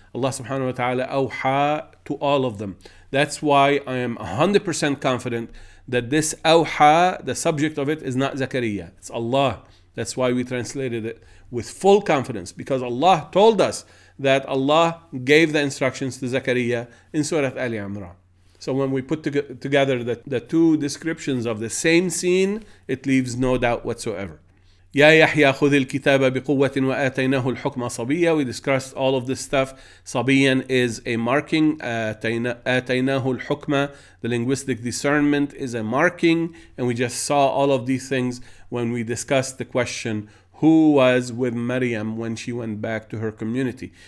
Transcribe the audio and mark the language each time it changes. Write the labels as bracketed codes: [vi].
[en] Allah subhanahu wa ta'ala أَوْحَىٰ to all of them. That's why I am 100% confident that this awha, the subject of it, is not Zakariya. It's Allah. That's why we translated it with full confidence, because Allah told us that Allah gave the instructions to Zakariya in Surah l-Ɛimra. So when we put together the two descriptions of the same scene, it leaves no doubt whatsoever. [ar] Ya Yahya, خذ الكتاب بقوة وآتيناه الحكم صبيا. [en] We discussed all of this stuff. Sabiyan is a marking. آتيناه الحكم, the linguistic discernment, is a marking. And we just saw all of these things when we discussed the question, who was with Maryam when she went back to her community?